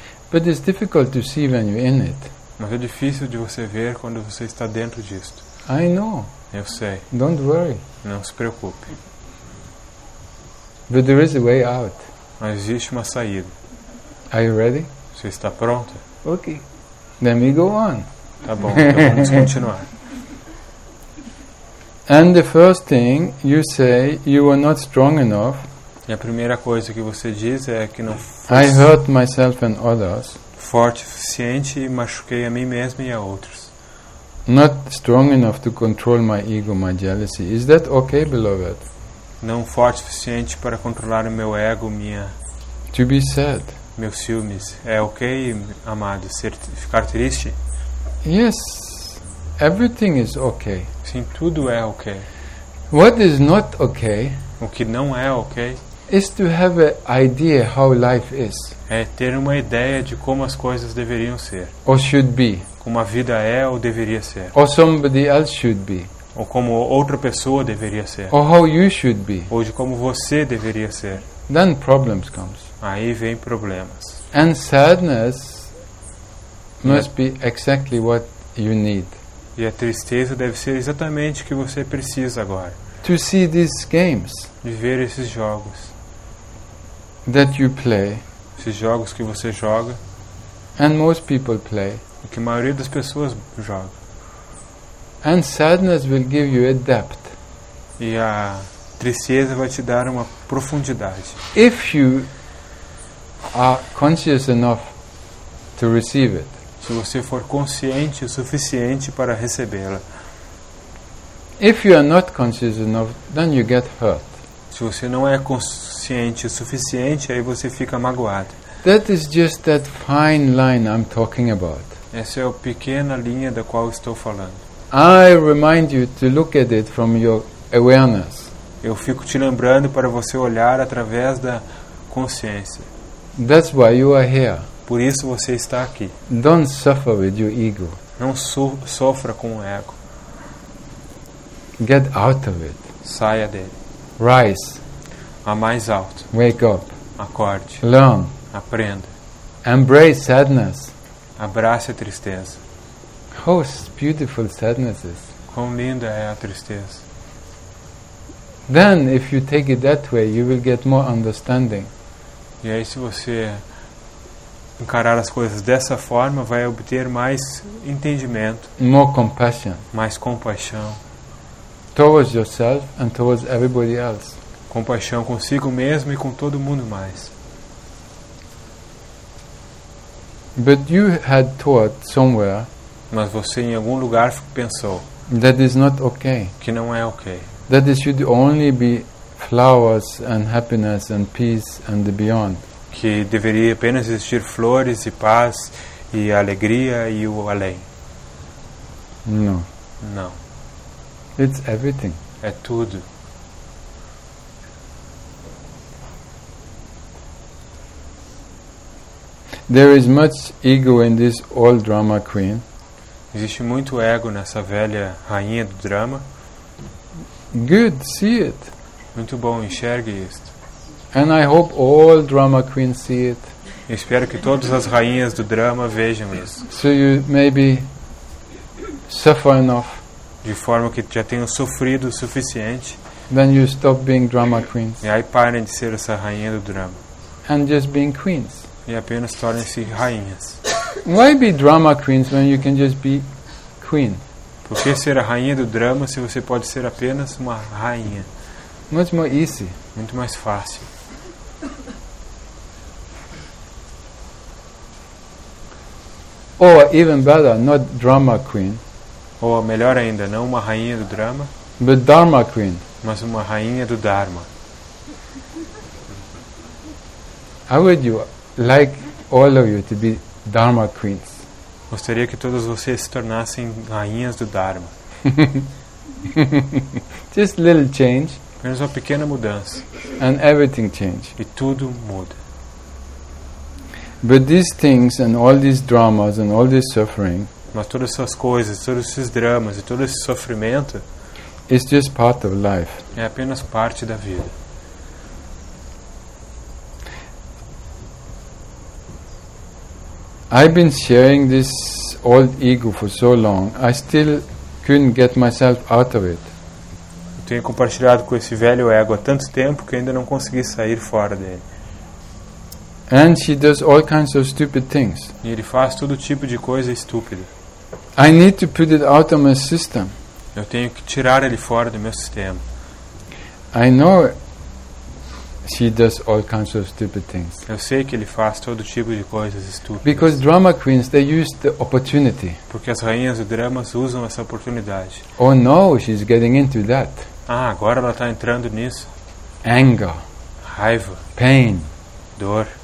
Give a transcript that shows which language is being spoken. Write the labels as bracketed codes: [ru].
[en] But it's difficult to see when you're in it. [pt] Mas é difícil de você ver quando você está dentro disto. [en] I know. [pt] Eu sei. [en] Don't worry. [pt] Não se preocupe. [en] But there is a way out. [pt] Mas existe uma saída. [en] Are you ready? [pt] Você está pronta? [en] Okay. Then we go on. [pt] Tá bom, então vamos continuar. [en] And the first thing you say, you are not strong enough. [pt] E a primeira coisa que você diz é que não. [en] I hurt myself and others. [pt] Forte o suficiente e machuquei a mim mesmo e a outros. [en] Not strong enough to control my ego, my jealousy. Is that okay, beloved? [pt] Não forte o suficiente para controlar o meu ego, minha. [en] To be sad. [pt] Meus ciúmes. É okay, amado, ficar triste? [en] Yes. Everything is okay. [pt] Sim, tudo é okay. [en] What is not okay? [pt] O que não é okay? [en] Is to have an idea how life is. [pt] É ter uma ideia de como as coisas deveriam ser. [en] Or should be. [pt] Como a vida é ou deveria ser. [en] Or somebody else should be. [pt] Ou como outra pessoa deveria ser. [en] Or how you should be. [pt] Ou de como você deveria ser. [en] Then problems comes. [pt] Aí vem problemas. [en] And sadness must be exactly what you need. [pt] E a tristeza deve ser exatamente o que você precisa agora. [en] To see these games. [pt] De ver esses jogos. [en] That you play. [pt] Esses jogos que você joga. [en] And most people play. [pt] Que a maioria das pessoas joga. [en] And sadness will give you a depth. [pt] E a tristeza vai te dar uma profundidade. [en] If you are conscious enough to receive it. [pt] Se você for consciente o suficiente para recebê-la. [en] If you are not conscious enough, then you get hurt. [pt] Se você não é consciente o suficiente, aí você fica magoado. [en] That is just that fine line I'm talking about. [pt] Essa é a pequena linha da qual estou falando. [en] I remind you to look at it from your awareness. [pt] Eu fico te lembrando para você olhar através da consciência. [en] That's why you are here. [pt] Por isso você está aqui. [en] Don't suffer with your ego. [pt] Não sofra com o ego. [en] Get out of it. [pt] Saia dele. [en] Rise. [pt] A mais alto. [en] Wake up. [pt] Acorde. [en] Learn. [pt] Aprenda. [en] Embrace sadness. [pt] Abrace a tristeza. [en] How beautiful sadness is. [pt] Quão linda é a tristeza. [en] Then, if you take it that way, you will get more understanding. [pt] E aí, se você encarar as coisas dessa forma, vai obter mais entendimento. [en] More compassion. [pt] Mais compaixão. [en] Towards yourself and towards everybody else. [pt] Compaixão consigo mesmo e com todo mundo mais. [en] But you had thought somewhere. [pt] Mas você em algum lugar pensou. [en] That is not okay. [pt] Que não é okay. [en] That it should only be flowers and happiness and peace and the beyond. [pt] Que deveria apenas existir flores e paz e alegria e o além. [en] No. [pt] Não. [en] It's everything. [pt] É tudo. [en] There is much ego in this old drama queen. [pt] Existe muito ego nessa velha rainha do drama. [en] Good, see it. [pt] Muito bom, enxergue isto. [en] And I hope all drama queens see it. [pt] Espero que todas as rainhas do drama vejam isso. [en] So you maybe suffer enough. [pt] De forma que já tenham sofrido o suficiente. [en] Then you stop being drama queens. [pt] E aí parem de ser essa rainha do drama. [en] And just being queens. [pt] E apenas tornem-se rainhas. [en] Why be drama queens when you can just be queen? [pt] Por que ser a rainha do drama se você pode ser apenas uma rainha? [en] Much more easy. [pt] Muito mais fácil. [en] Or even better, not drama queen. [pt] Ou melhor ainda, não uma rainha do drama. [en] But Dharma queen. [pt] Mas uma rainha do Dharma. [en] How would you like all of you to be Dharma queens? [pt] Gostaria que todos vocês se tornassem rainhas do Dharma. [en] Just little change. [pt] Apenas uma pequena mudança. [en] And everything changes. [pt] E tudo muda. [en] But these things and all these dramas and all this suffering. [pt] Mas todas essas coisas, todos esses dramas e todo esse sofrimento. [en] Is just part of life. [pt] É apenas parte da vida. [en] I've been sharing this old ego for so long. I still couldn't get myself out of it. [pt] Eu tenho compartilhado com esse velho ego há tanto tempo que ainda não consegui sair fora dele. [en] And she does all kinds of stupid things. [pt] E ele faz todo tipo de coisa estúpida. [en] I need to put it out of my system. [pt] Eu tenho que tirar ele fora do meu sistema. [en] I know she does all kinds of stupid things. [pt] Eu sei que ele faz todo tipo de coisas estúpidas. [en] Because drama queens, they use the opportunity. [pt] Porque as rainhas do dramas usam essa oportunidade. [en] Oh no, she's getting into that. [pt] Ah, agora ela está entrando nisso. [en] Anger. [pt] Raiva. [en] Pain. [pt] Dor.